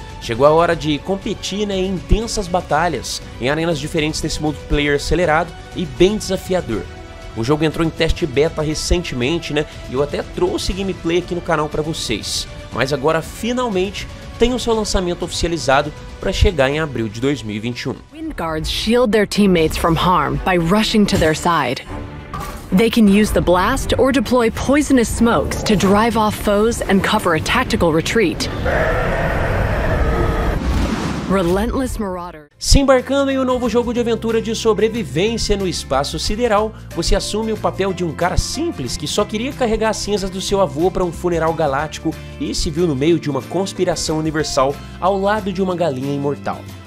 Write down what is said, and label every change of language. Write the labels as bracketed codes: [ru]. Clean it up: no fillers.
[pt] Chegou a hora de competir, né, em intensas batalhas, em arenas diferentes desse multiplayer acelerado e bem desafiador. O jogo entrou em teste beta recentemente, né, e eu até trouxe gameplay aqui no canal para vocês, mas agora finalmente tem o seu lançamento oficializado para chegar em abril de 2021. [en] Windguards shield their teammates from harm by rushing to their side. They can use the blast or deploy poisonous smokes to drive off foes and cover a tactical retreat. Relentless Marauder. [pt] Se embarcando em um novo jogo de aventura de sobrevivência no espaço sideral, você assume o papel de um cara simples que só queria carregar as cinzas do seu avô para um funeral galáctico e se viu no meio de uma conspiração universal ao lado de uma galinha imortal.